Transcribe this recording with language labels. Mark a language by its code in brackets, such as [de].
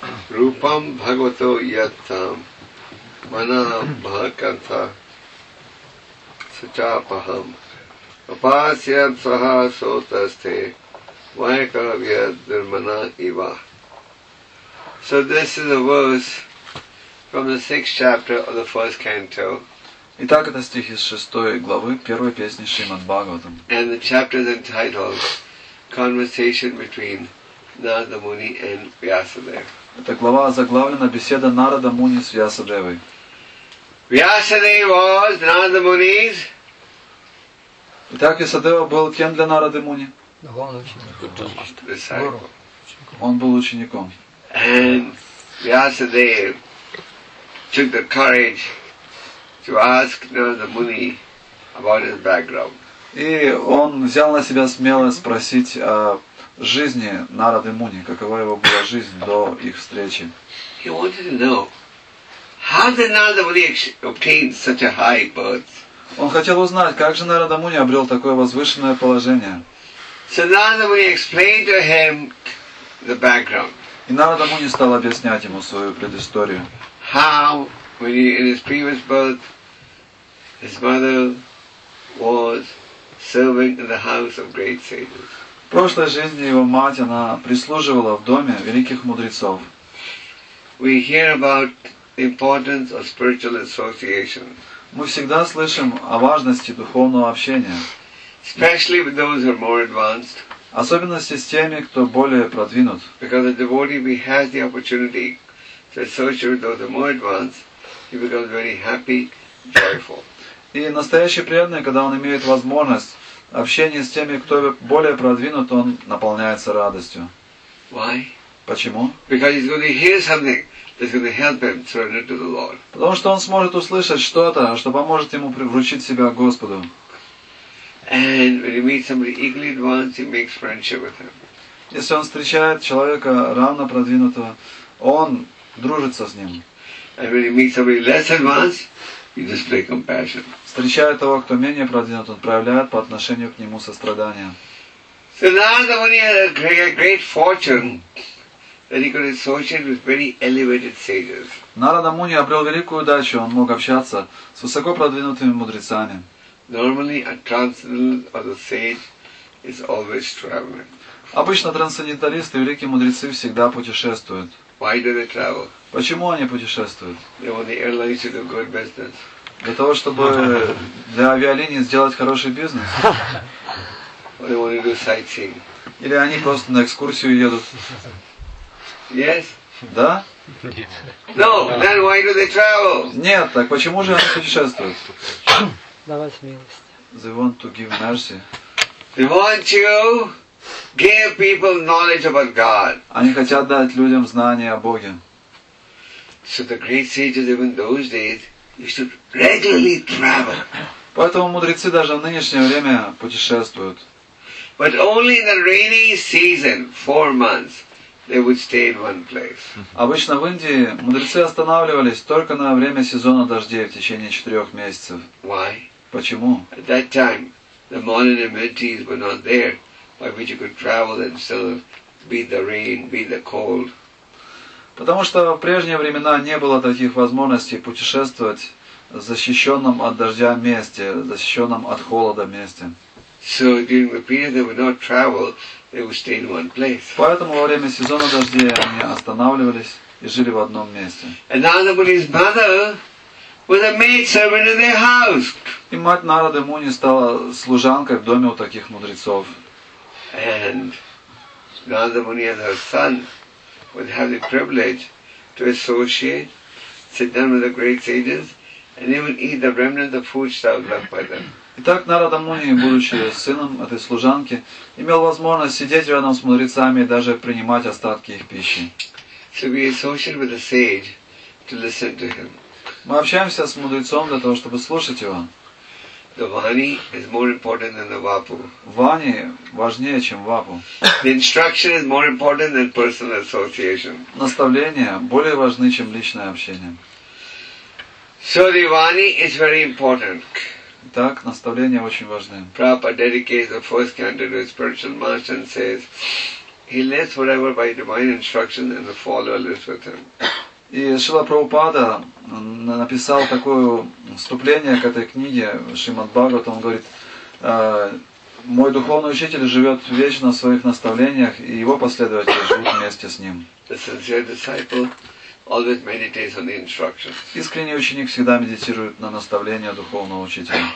[sa] Рупам Бхагавато Яттам, Манам Бхаканта, Сачапахам, Апасиям Саха Сотасте, Вайкавья Дурмана Ива. [en] So this is the verse from the 6th chapter of the 1st canto. [ru] Итак, это стих из 6 главы первой песни Шримад Бхагаватам. [en] And the chapter is entitled Conversation between Narada Muni and Vyasadeva. [ru] Эта глава озаглавлена Беседа Нарада Муни с Вьясадевой. [en] Vyasadeva was Narada Muni's. [ru] Итак, Вьясадева был кем для Нарады Муни? Он был учеником. [en] And Vyasadeva took the courage to ask Narada Muni about his background. [ru] И он взял на себя смелость спросить о жизни Нарады Муни, какова его была жизнь до их встречи. [en] He wanted to know how did Narada Muni obtain such a high birth. [ru] Он хотел узнать, как же Нарада Муни обрел такое возвышенное положение. [en] So Narada Muni explained to him the background. [ru] И Нарада Муни стал объяснять ему свою предысторию. [en] How, when he, in his previous birth, his mother was serving in the house of great sages. [ru] В прошлой жизни его мать, она прислуживала в доме великих мудрецов. [en] We hear about the importance of spiritual association. [ru] Мы всегда слышим о важности духовного общения. [en] Especially with those who are more advanced. [ru] Особенно с теми, кто более продвинут. [en] Because the devotee, he has the opportunity to associate with those more advanced, he becomes very happy, joyful. [ru] И настоящий преданный, когда он имеет возможность общения с теми, кто более продвинут, он наполняется радостью. [en] Why? [ru] Почему? [en] Because he's going to hear something that's going to help him surrender to the Lord. [ru] Потому что он сможет услышать что-то, что поможет ему вручить себя Господу. [en] And when he meets somebody equally advanced, he makes friendship with him. [ru] Если он встречает человека равно продвинутого, он дружится с ним. [en] And when he meets somebody less advanced, he displays compassion. [ru] Встречая того, кто менее продвинут, он проявляет по отношению к нему сострадание. [en] So Narada Muni had a great fortune that he could associate with very elevated sages. [ru] Narada Muni обрел великую удачу, он мог общаться с высоко продвинутыми мудрецами. [en] Normally, a transcendental or the sage is always traveling. [ru] Обычно трансценденталисты, великие мудрецы всегда путешествуют. [en] Why do they travel? [ru] Почему они путешествуют? [en] They want the airlines to do good business. [ru] Для того, чтобы для авиалинии сделать хороший бизнес. [en] Or they want to do sightseeing. [ru] Или они просто на экскурсию едут. [en] Yes? [ru] Да? [en] No, then why do they travel? [ru] Нет, так почему же они путешествуют? Давать милость. [en] They want to give mercy. They want to give people knowledge about God. [ru] Они хотят дать людям знания о Боге. [en] So the great sages even those days used to regularly travel. [ru] Поэтому мудрецы даже в нынешнее время путешествуют. [en] But only in the rainy season, 4 months, they would stay in one place. [ru] Обычно в Индии мудрецы останавливались только на время сезона дождей в течение 4 месяцев. [en] Why? [ru] Почему? [en] At that time, the modern amenities were not there, by which you could travel and still beat the rain, beat the cold. [ru] Потому что в прежние времена не было таких возможностей путешествовать в защищенном от дождя месте, защищенном от холода месте. [en] So during the period they would not travel, they would stay in one place. [ru] Поэтому во время сезона дождей они останавливались и жили в одном месте. [en] And Narada Muni's mother was a maidservant in their house. [ru] И мать Нарады Муни стала служанкой в доме у таких мудрецов. [en] And Narada Muni and her son would have the privilege to associate, sit down with the great sages, And he would eat the remnant of food that was left by them. [ru] Итак, Нарада Муни, будучи сыном этой служанки, имел возможность сидеть рядом с мудрецами и даже принимать остатки их пищи. [en] So we associate with the sage to listen to him. [ru] Мы общаемся с мудрецом для того, чтобы слушать его. [en] The vani is more important than the vapu. [ru] Вани важнее, чем вапу. [en] The instruction is more important than personal association. [ru] Наставления более важны, чем личное общение. [en] So the vani is very important. [ru] Так, наставления очень важны. [en] Prabhupada dedicates the first canto to his spiritual master and says, he lives forever by divine instruction and the follower lives with him. [ru] И Шрила Прабхупада написал такое вступление к этой книге Шримад Бхагаватам. Он говорит, мой духовный учитель живет вечно в своих наставлениях, и его последователи живут вместе с ним. Искренний ученик всегда медитирует на наставления духовного учителя.